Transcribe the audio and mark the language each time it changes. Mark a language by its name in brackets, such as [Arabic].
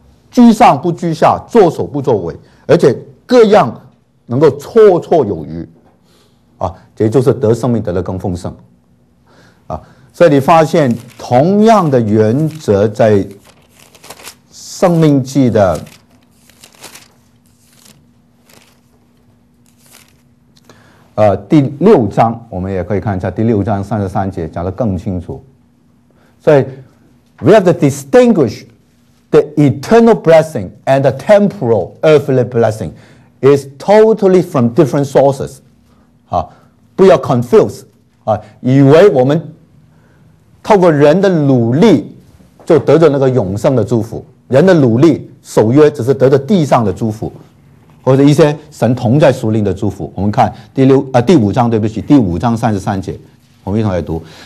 [Chinese] 居上不居下，作首不作尾，而且各样能够绰绰有余，啊，也就是得生命得的更丰盛，啊，所以你发现同样的原则在《生命记》的第六章，我们也可以看一下第六章三十三节讲得更清楚。所以 [English] we have to distinguish the eternal blessing and the temporal earthly blessing is totally from different sources. [Chinese] 啊，不要 confuse, 啊，以为我们透过人的努力就得着那个永生的祝福，人的努力守约只是得着地上的祝福或者一些神同在属灵的祝福。我们看第五章，对不起，第五章三十三节，我们一同来读。